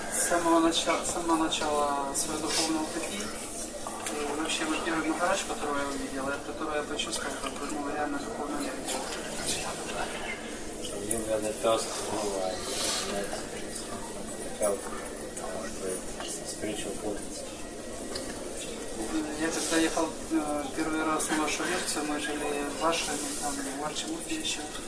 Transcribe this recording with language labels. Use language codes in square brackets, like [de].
[ru] С самого начала своего духовного пути, и вообще вот первый Махарадж, которого я увидел, это который я почувствовал, как бы, ну, реально духовно легче. [en] You were the first who I met and felt great spiritual potential. [ru] Я тогда ехал первый раз на вашу лекцию, мы жили в вашем, там, в Арчимуфе еще.